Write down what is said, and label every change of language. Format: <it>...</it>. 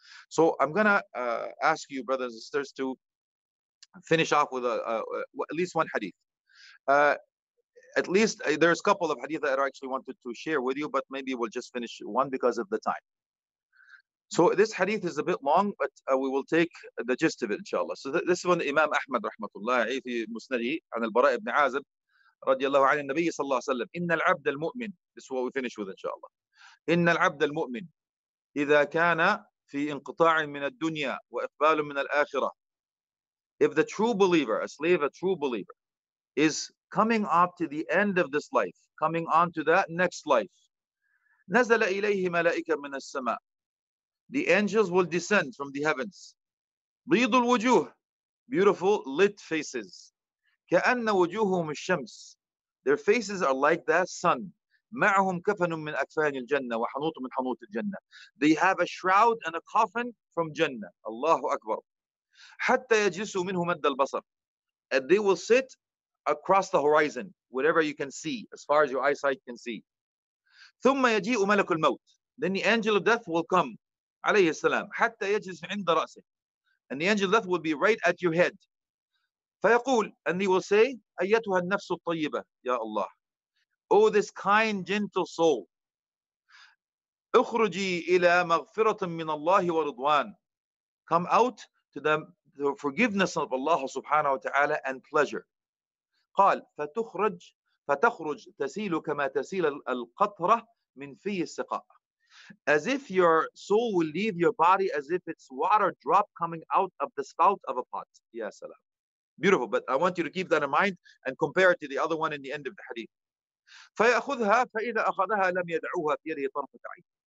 <en>So I'm going to ask you, brothers and sisters, to finish off with at least one hadith. There's a couple of hadith that I actually wanted to share with you, but maybe we'll just finish one because of the time. So this hadith is a bit long, but we will take the gist of it, inshallah. So this one,</en> <ar>Imam Ahmad, rahmatullah, عليه في مسنده عن البراء بن عازب رضي الله عن النبي صلى الله عليه وسلم إن العبد المؤمن</ar> <en>This is what we finish with, inshallah.</en> <ar>إن العبد المؤمن إذا كان في انقطاع من الدنيا وإقبال من الآخرة</ar> <en>If the true believer, a slave, a true believer, is coming up to the end of this life, coming on to that next life,</en> <ar>نَزَلَ إِلَيْهِ مَلَائِكَ مِنَ السَّمَاءِ</ar> <en>The angels will descend from the heavens.</en> <ar>رِيضُ الْوُجُوهِ</ar> <en>beautiful lit faces.</en> <ar>كَأَنَّ وَجُوهُهُمُ الشَّمْسِ.</ar> <en>Their faces are like the sun.</en> <ar>مَعْهُمْ كَفَنٌ مِّنْ أَكْفَانِ الْجَنَّةِ وَحَنُوتٌ مِّنْ حَنُوتِ الْجَنَّةِ.</ar> <en>They have a shroud and a coffin from Jannah.</en> <ar>Allahu Akbar. حَتَّى يَجْلِسُوا مِنْهُ مَدَّ الْبَصَرِ.</ar> <en>And they will sit across the horizon, whatever you can see, as far as your eyesight can see.</en> <ar>ثُمَّ يَجِيءُ مَلَكُ الْمَوْتِ.</ar> <en>Then the angel of death will come, عليه السلام,</en> <ar>حَتَّى يَجْلِسُ عِنْدَ رَأْسِهِ.</ar> <en>And the angel of death will be right at your head.</en> <ar>فيقول,</ar> <en>and he will say,</en> <ar>أَيَّتُهَا النَّفْسُ الطَّيِّبَةِ, يَا اللَّهِ.</ar> <en>Oh, this kind, gentle soul.</en> <ar>اخرجي إلى مغفرة من الله ورضوان.</ar> <en>Come out to the forgiveness of Allah subhanahu wa ta'ala and pleasure.</en> <ar>قال فتخرج فتخرج تسيل كما تسيل القطرة من في السقاء.</ar> <en>As if your soul will leave your body as if it's water drop coming out of the spout of a pot.</en> <ar>يا سلام.</ar> <en>Beautiful, but I want you to keep that in mind and compare it to the other one in the end of the hadith.</en> <ar>فَيَأْخُذْهَا فَإِذَا أَخَذَهَا لَمْ يَدْعُوهَا فِي يَدِهِ طَرْفَةَ عَيْنٍ.</ar>